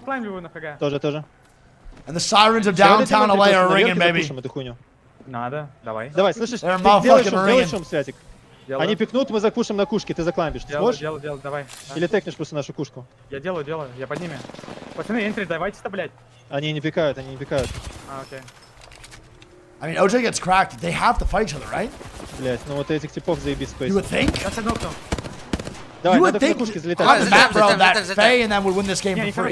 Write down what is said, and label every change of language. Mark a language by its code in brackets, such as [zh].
[en] And the sirens of downtown LA are ringing, baby. They're motherfucking ringing. [ru] Они пикнут, мы закушим на кушке, ты закламбишь. Ты сможешь? Делаю, давай. Или текнешь просто нашу кушку? Я делаю, я подними. Пацаны, энтри, давайте-то, блядь. Они не пикают. А, окей. [en] I mean, OJ gets cracked. They have to fight each other, right? [ru] Блядь, ну вот этих типов заебись, [en] спейс. You would think? You would think on the map, bro, that Faye and them would win this game for free.